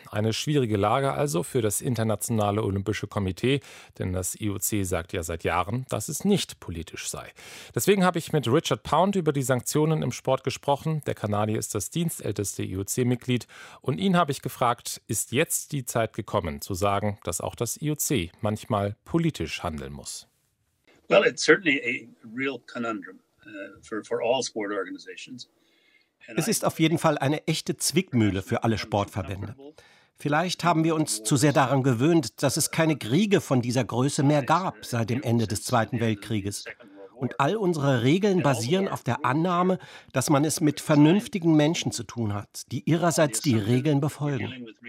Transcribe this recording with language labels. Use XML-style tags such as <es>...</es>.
<de>Eine schwierige Lage also für das Internationale Olympische Komitee, denn das IOC sagt ja seit Jahren, dass es nicht politisch sei. Deswegen habe ich mit Richard Pound über die Sanktionen im Sport gesprochen. Der Kanadier ist das dienstälteste IOC-Mitglied. Und ihn habe ich gefragt, ist jetzt die Zeit gekommen, zu sagen, dass auch das IOC manchmal politisch handeln muss?</de> <en>Well, it's certainly a real conundrum for all sport organizations.</en> <de>Es ist auf jeden Fall eine echte Zwickmühle für alle Sportverbände. Vielleicht haben wir uns zu sehr daran gewöhnt, dass es keine Kriege von dieser Größe mehr gab seit dem Ende des Zweiten Weltkrieges. Und all unsere Regeln basieren auf der Annahme, dass man es mit vernünftigen Menschen zu tun hat, die ihrerseits die Regeln befolgen.</de>